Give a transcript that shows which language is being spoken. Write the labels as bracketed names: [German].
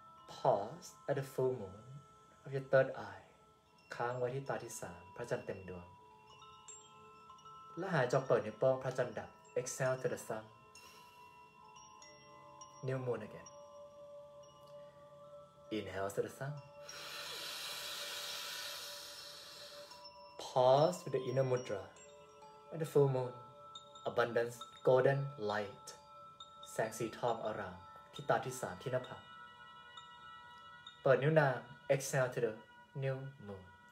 [English] Pause at the full moon Of your third eye [Thai] ค้างไว้ที่ตาที่3พระจันทร์เต็มดวงและหายจอกเปิดนิ้วโป้งพระจันทร์ดับ [English] Exhale to the sun New moon againInhale to the sun. Pause with the inner mudra at the full moon. Abundance, golden light. [Thai] แสงสีทองอร่ามที่ตาที่สามที่หน้าผากเปิดนิ้วนาง [English] Exhale to the new moon.